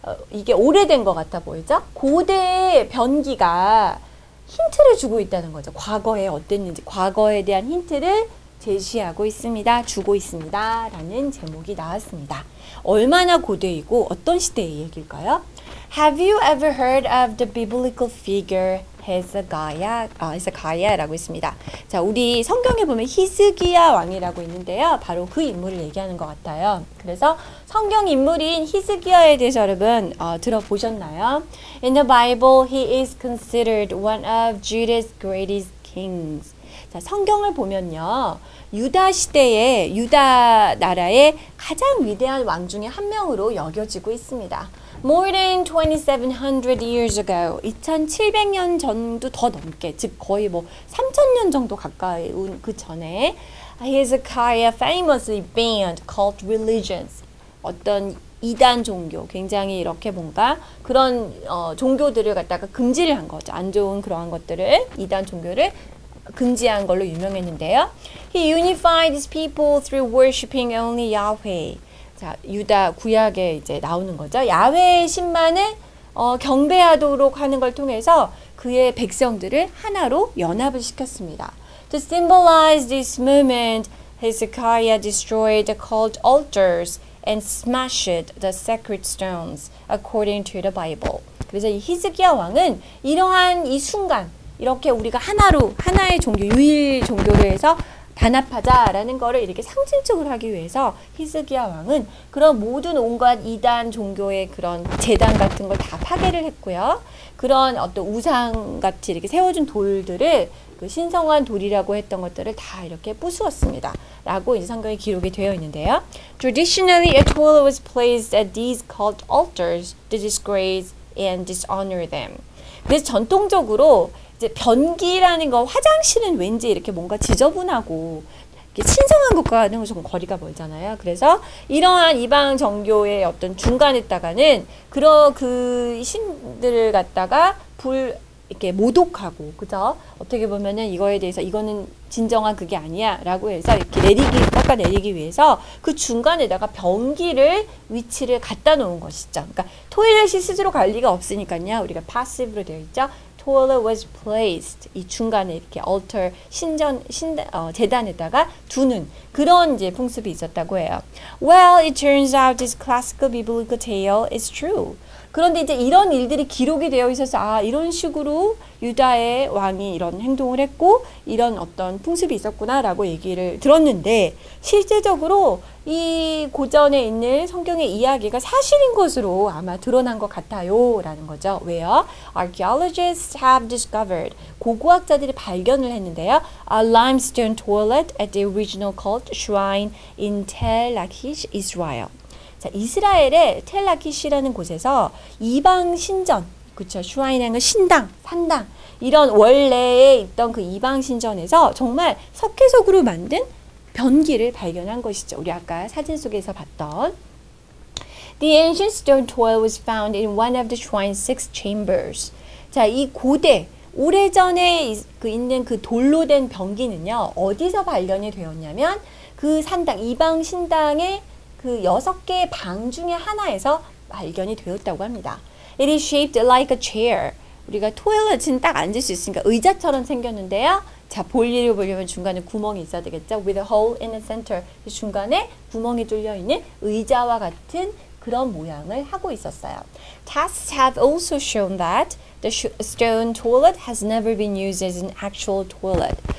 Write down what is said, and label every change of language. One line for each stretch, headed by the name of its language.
Korean: 이게 오래된 것 같아 보이죠? 고대의 변기가 힌트를 주고 있다는 거죠. 과거에 어땠는지, 과거에 대한 힌트를 제시하고 있습니다. 주고 있습니다. 라는 제목이 나왔습니다. 얼마나 고대이고 어떤 시대의 얘기일까요?
English: Have you ever heard of the biblical figure Hezekiah?
Korean: 라고 있습니다. 자, 우리 성경에 보면 히스기야 왕이라고 있는데요. 바로 그 인물을 얘기하는 것 같아요. 그래서 성경 인물인 히스기야에 대해서 여러분 들어보셨나요?
English: In the Bible, he is considered one of Judah's greatest kings.
Korean: 자, 성경을 보면요. 유다 시대에 유다 나라의 가장 위대한 왕 중에 한 명으로 여겨지고 있습니다.
English: More than 2700 years ago.
Korean: 2700년 전도 더 넘게, 즉 거의 뭐 3000년 정도 가까운 그 전에
English: Hezekiah famously banned cult religions.
Korean: 어떤 이단 종교, 굉장히 이렇게 뭔가 그런 종교들을 갖다가 금지를 한 거죠. 안 좋은 그러한 것들을, 이단 종교를 금지한 걸로 유명했는데요.
English: He unified his people through worshiping only Yahweh.
Korean: 자, 유다 구약에 이제 나오는 거죠. 야훼의 신만을 경배하도록 하는 걸 통해서 그의 백성들을 하나로 연합을 시켰습니다.
English: To symbolize this movement, Hezekiah destroyed the cult altars and smashed the sacred stones according to the Bible.
Korean: 그래서 이 히스기야 왕은 이러한 이 순간, 이렇게 우리가 하나로 하나의 종교, 유일 종교로 해서 단합하자라는 거를 이렇게 상징적으로 하기 위해서 히스기야 왕은 그런 모든 온갖 이단 종교의 그런 제단 같은 걸 다 파괴를 했고요. 그런 어떤 우상같이 이렇게 세워준 돌들을 그 신성한 돌이라고 했던 것들을 다 이렇게 부수었습니다. 라고 이제 성경에 기록이 되어 있는데요.
English: Traditionally, a toilet was placed at these cult altars to disgrace and dishonor them.
Korean: 그래서 전통적으로 이제 변기라는 거, 화장실은 왠지 이렇게 뭔가 지저분하고 이렇게 신성한 것과는 좀 거리가 멀잖아요. 그래서 이러한 이방 정교의 어떤 중간에다가는 그 신들을 갖다가 이렇게 모독하고, 그죠? 어떻게 보면은 이거에 대해서 이거는 진정한 그게 아니야 라고 해서 이렇게 깎아내리기 위해서 그 중간에다가 변기를 위치를 갖다 놓은 것이죠. 그러니까 토일렛이 스스로 갈 리가 없으니까요. 우리가 passive로 되어 있죠.
English: Toilet was placed.
Korean: 이 중간에 이렇게 altar, 제단에다가 두는 그런 이제 풍습이 있었다고 해요.
English: Well, it turns out this classical biblical tale is true.
Korean: 그런데 이제 이런 일들이 기록이 되어 있어서 이런 식으로 유다의 왕이 이런 행동을 했고 이런 어떤 풍습이 있었구나 라고 얘기를 들었는데 실제적으로 이 고전에 있는 성경의 이야기가 사실인 것으로 아마 드러난 것 같아요 라는 거죠. 왜요?
English: Archaeologists have discovered,
Korean: 고고학자들이 발견을 했는데요.
English: A limestone toilet at the original cult shrine in Tel Lachish, Israel.
Korean: 자, 이스라엘의 텔라키시라는 곳에서 이방 신전, 그쵸, 슈라인이라는 건 신당, 산당, 이런 원래에 있던 그 이방 신전에서 정말 석회석으로 만든 변기를 발견한 것이죠. 우리 아까 사진 속에서 봤던.
English: The ancient stone toilet was found in one of the shrine's six chambers.
Korean: 자, 이 고대, 오래전에 있는 그 돌로 된 변기는요, 어디서 발견이 되었냐면 그 산당, 이방 신당의 그 여섯 개의 방 중에 하나에서 발견이 되었다고 합니다.
English: It is shaped like a chair.
Korean: 우리가 toilet은 딱 앉을 수 있으니까 의자처럼 생겼는데요. 자, 볼일을 보려면 중간에 구멍이 있어야 되겠죠?
English: With a hole in the center.
Korean: 중간에 구멍이 뚫려있는 의자와 같은 그런 모양을 하고 있었어요.
English: Tests have also shown that the stone toilet has never been used as an actual toilet.